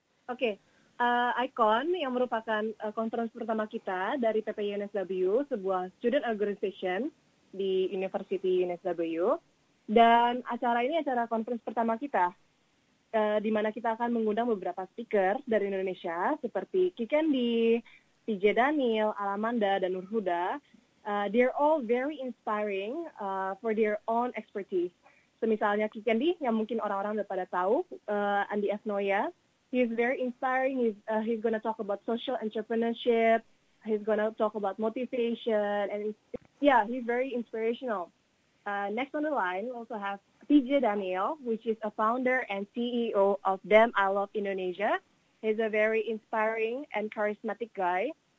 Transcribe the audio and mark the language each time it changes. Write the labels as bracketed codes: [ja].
[id] Oke. Icon yang merupakan conference pertama kita dari PPI UNSW, sebuah student organization di University UNSW. Dan acara ini acara conference pertama kita, di mana kita akan mengundang beberapa speaker dari Indonesia seperti Kikendi, PJ Daniel, Alamanda, dan Nurhuda. [en] They're all very inspiring for their own expertise. [id] So, misalnya Kikendi, yang mungkin orang-orang sudah pada tahu, Andi Esnoya. [en] He's very inspiring. He's going to talk about social entrepreneurship. He's going to talk about motivation. And yeah, he's very inspirational. Next on the line, we also have PJ Daniel, which is a founder and CEO of Them I Love Indonesia. He's a very inspiring and charismatic guy.